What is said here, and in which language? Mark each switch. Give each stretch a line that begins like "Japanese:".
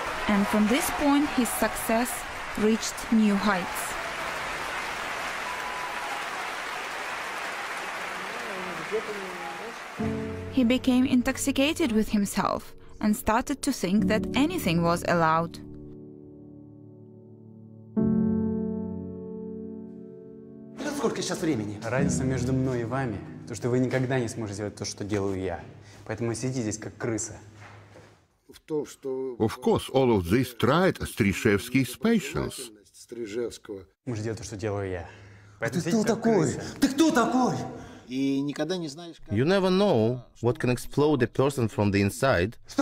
English: And from this point, his success reached new heights. He became intoxicated with himself and started to think that anything was allowed.
Russian: Сколько сейчас времени? Разница между мной и вами то, что вы никогда не сможете делать то, что делаю я. Поэтому сидите здесь как крыса.
English: Of course, all of this tried Стрижевский's patience.
Russian: Мы же делаем то, что делаю я. Ты кто такой? Ты кто такой?
English: You never know what can explode a person from the inside.